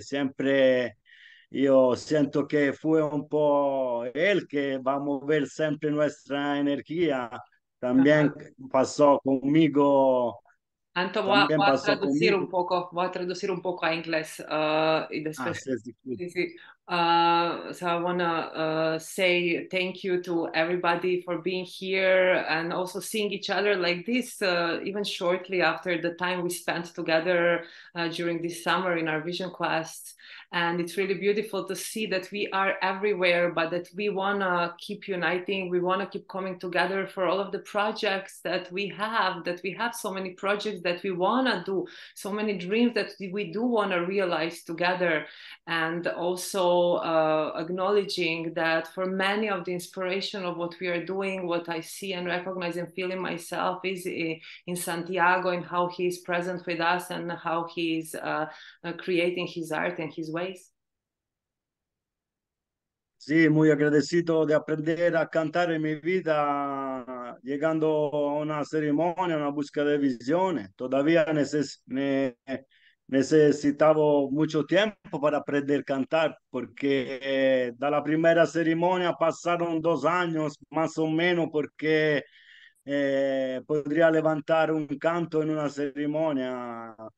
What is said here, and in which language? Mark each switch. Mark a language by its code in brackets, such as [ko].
[es] Siempre yo siento que fue un poco él que va a mover siempre nuestra energía. También pasó conmigo. Anto, También voy a pasó traducir conmigo. Un poco, voy a traducir un poco a inglés y después. Ah, sí. Sí. [en] So I want to say thank you to everybody for being here and also seeing each other like this, even shortly after the time we spent together during this summer in our vision quest. And it's really beautiful to see that we are everywhere, but that we want to keep uniting. We want to keep coming together for all of the projects that we have, that we have so many projects that we want to do, so many dreams that we do want to realize together. And also acknowledging that for many of the inspiration of what we are doing, what I see and recognize and feel in myself is in Santiago and how he is present with us and how he is creating his art and his ways. [es] Sí, muy agradecido de aprender a cantar en mi vida llegando a una ceremonia, una búsqueda de visiones. Todavía necesitaba mucho tiempo para aprender a cantar porque de la primera ceremonia pasaron 2 años más o menos porque podría levantar un canto en una ceremonia.